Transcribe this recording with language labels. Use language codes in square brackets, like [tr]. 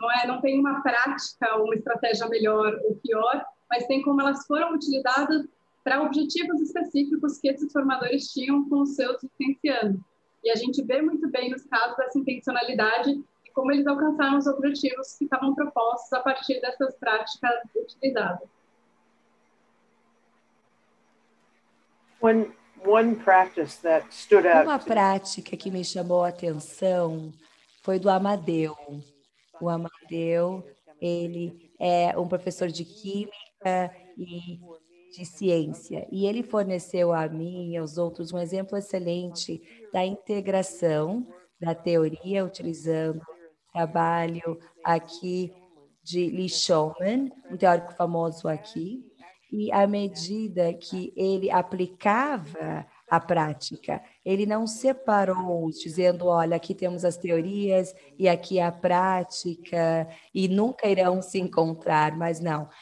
[pt] Não tem uma prática, uma estratégia melhor ou pior, mas tem como elas foram utilizadas para objetivos específicos que esses formadores tinham com os seus licenciados. E a gente vê muito bem nos casos essa intencionalidade e como eles alcançaram os objetivos que estavam propostos a partir dessas práticas utilizadas. [en] One practice that stood out. [pt] Uma prática que me chamou a atenção foi do Amadeu. O Amadeu, ele é um professor de química e de ciência. E ele forneceu a mim e aos outros um exemplo excelente da integração da teoria, utilizando o trabalho aqui de Lee Shulman, um teórico famoso aqui, e à medida que ele aplicava a prática, ele não separou, dizendo, olha, aqui temos as teorias e aqui a prática e nunca irão se encontrar, mas não.